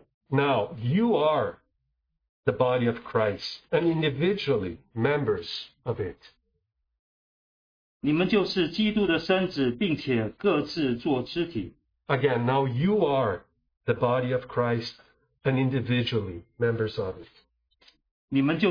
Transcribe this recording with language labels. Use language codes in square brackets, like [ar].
[en] Now, you are the body of Christ, and individually members of it. [zh] 你们就是基督的身子,并且各自做肢体。 [en] Again, now you are the body of Christ, and individually members of it.